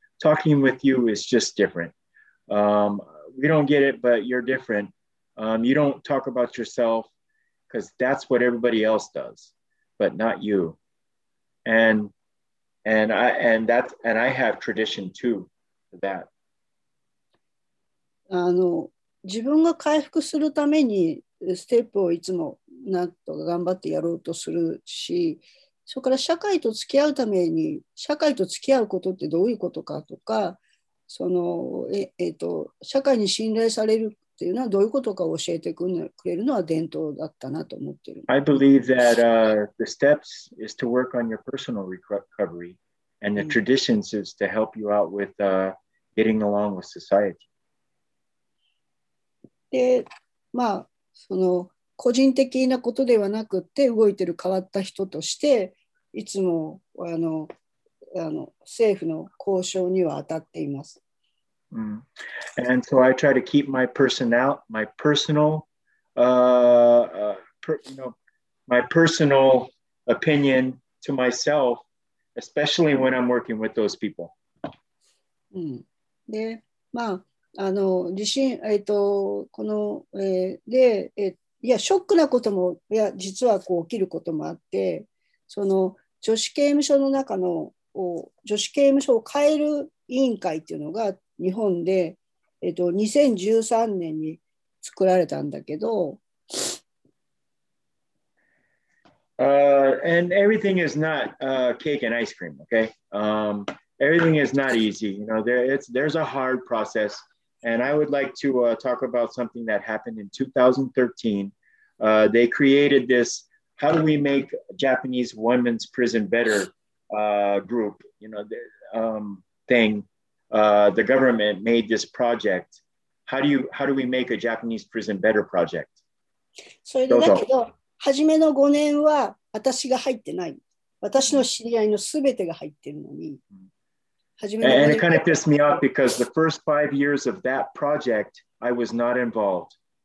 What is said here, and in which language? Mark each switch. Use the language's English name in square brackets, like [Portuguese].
[English] Talking with you is just different. We don't get it, but you're different. You don't talk about yourself because that's what everybody else does, but not you. And I have tradition too for that. [Japanese] 自分が回復するためにステップをいつもなんとか頑張ってやろうとするし、それから社会と付き合うために社会と付き合うことってどういうことかとか、その社会に信頼されるっていうのはどういうことかを教えてくれるのは伝統だったなと思ってる。 [English] I believe that the steps is to work on your personal recovery, and the traditions is to help you out with getting along with society. [Japanese] で、まあ、その個人的なことではなくて動いてる変わった人としていつも政府の交渉には当たっています。 Mm. [English] And so I try to keep my personal, my personal, per, you know, my personal opinion to myself, especially when I'm working with those people. [Japanese] で、まあ地震、この、で、いや、ショックなことも、いや、実はこう起きることもあって、その女子刑務所の中の、女子刑務所を変える委員会っていうのが、日本で、2013年に作られたんだけど。 [English] And everything is not cake and ice cream, okay? Everything is not easy. You know, there's a hard process. And I would like to talk about something that happened in 2013. They created this, how do we make Japanese women's prison better group, you know, thing. The government made this project. How do we make a Japanese prison better project? [Japanese] それでだけど、初めの5年は私が入ってない。私の知り合いのすべてが入ってるのに。 [English] And it kind of pissed me off because the first 5 years of that project, I was not involved.